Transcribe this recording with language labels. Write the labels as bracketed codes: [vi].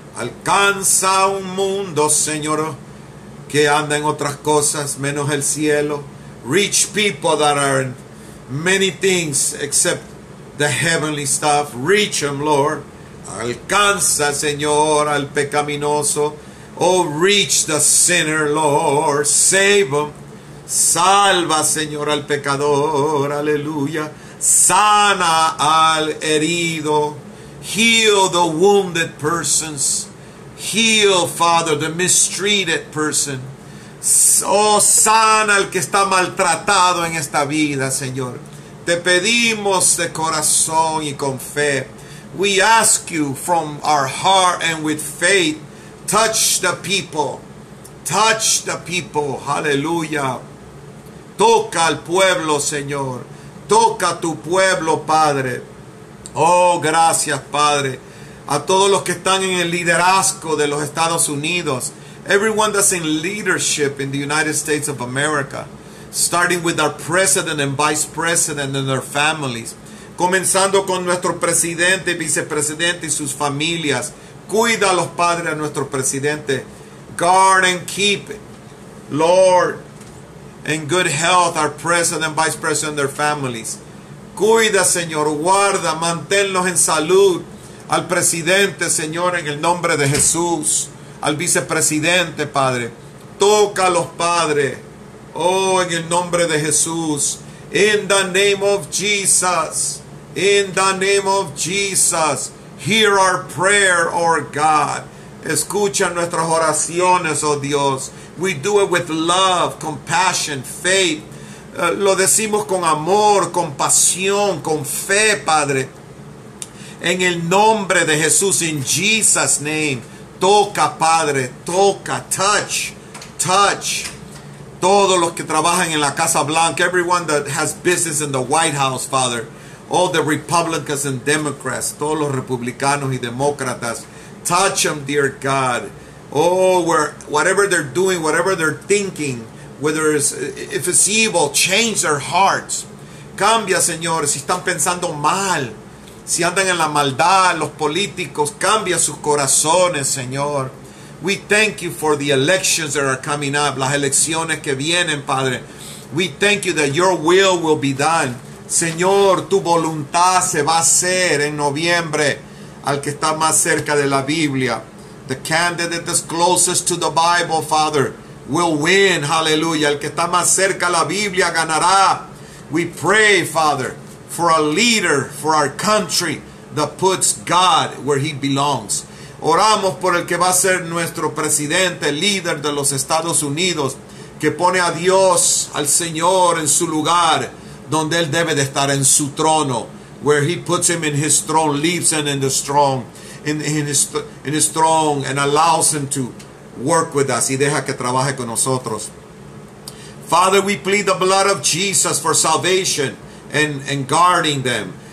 [es] Alcanza un mundo, Señor, que anda en otras cosas menos el cielo. [en] Reach people that are in many things except the heavenly stuff. Reach them, Lord. [es] Alcanza, Señor, al pecaminoso. [en] Oh, reach the sinner, Lord. Save him. [es] Salva, Señor, al pecador. Aleluya. Sana al herido. [en] Heal the wounded persons. Heal, Father, the mistreated person. [es] Oh, sana al que está maltratado en esta vida, Señor. Te pedimos de corazón y con fe. [en] We ask you from our heart and with faith. Touch the people. Touch the people. Hallelujah. [es] Toca al pueblo, Señor. Toca tu pueblo, Padre. Oh, gracias, Padre. A todos los que están en el liderazgo de los Estados Unidos. [en] Everyone that's in leadership in the United States of America. Starting with our president and vice president and their families. [es] Comenzando con nuestro presidente, vicepresidente y sus familias. Cuida a los padres a nuestro presidente. [en] Guard and keep, Lord, in good health, our president and vice president and their families. [es] Cuida, Señor, guarda, manténlos en salud. Al presidente, Señor, en el nombre de Jesús. Al vicepresidente, Padre. Toca a los padres. Oh, en el nombre de Jesús. [en] In the name of Jesus. In the name of Jesus. Hear our prayer, oh God. [es] Escucha nuestras oraciones, oh Dios. [en] We do it with love, compassion, faith. [es] Lo decimos con amor, con pasión, con fe, Padre. En el nombre de Jesús, [en] in Jesus' name. [es] Toca, Padre, toca, [en] touch, touch. [es] Todos los que trabajan en la Casa Blanca, [en] everyone that has business in the White House, Father. All the Republicans and Democrats, [es] todos los republicanos y demócratas. [en] Touch them, dear God. Oh, whatever they're doing, whatever they're thinking, whether it's, if it's evil, change their hearts. [es] Cambia, Señor, si están pensando mal, si andan en la maldad, los políticos, cambia sus corazones, Señor. [en] We thank you for the elections that are coming up, [es] las elecciones que vienen, Padre. [en] We thank you that your will be done. [es] Señor, tu voluntad se va a hacer en noviembre. Al que está más cerca de la Biblia. [en] The candidate that's closest to the Bible, Father, will win. Hallelujah. [es] El que está más cerca de la Biblia ganará. [en] We pray, Father, for a leader for our country that puts God where he belongs. [es] Oramos por el que va a ser nuestro presidente, líder de los Estados Unidos, que pone a Dios, al Señor, en su lugar, donde él debe de estar, en su trono. [en] Where he puts him in his throne, leaves him in the strong, in his throne, and allows him to work with us. [es] Y deja que trabaje con nosotros. [en] Father, we plead the blood of Jesus for salvation and guarding them.